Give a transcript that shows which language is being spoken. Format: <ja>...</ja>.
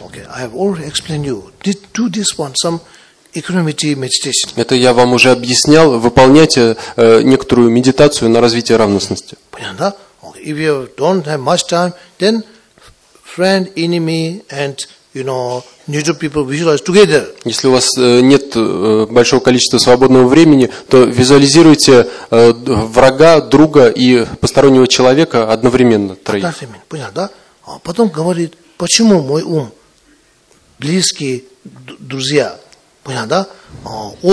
<en>Okay, I have already explained you. Do this one, some equanimity meditation.</en> <ru>Это я вам уже объяснял. Выполняйте некоторую медитацию на развитие равностности. Понятно, да? Okay.</ru> <en>If you don't have much time, then friend, enemy, and you know, neutral people visualize together.</en> <ru>Если у вас нет большого количества свободного времени, то визуализируйте врага, друга и постороннего человека одновременно троих. Понятно, да? А потом говорит, почему мой ум, близкие друзья, понятно, да?</ru>